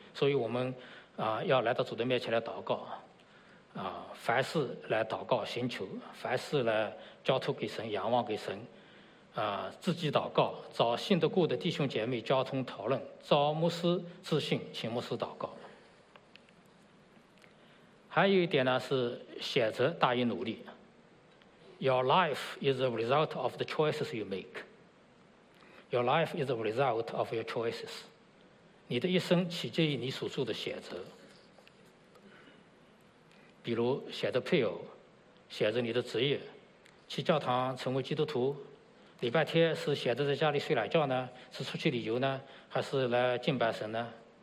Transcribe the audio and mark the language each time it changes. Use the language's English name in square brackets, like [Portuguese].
[Chinese] 所以我们要来到主的面前来祷告，凡事来祷告寻求，凡事来交托给神，仰望给神，自己祷告，找信得过的弟兄姐妹交通讨论，找牧师致信，请牧师祷告。还有一点呢，是选择大于努力。 [English] Your life is a result of the choices you make. Your life is a result of your choices. [Chinese] 你的一生取决于你所做的选择，比如选择配偶，选择你的职业，去教堂成为基督徒，礼拜天是选择在家里睡懒觉呢，是出去旅游呢，还是来敬拜神呢？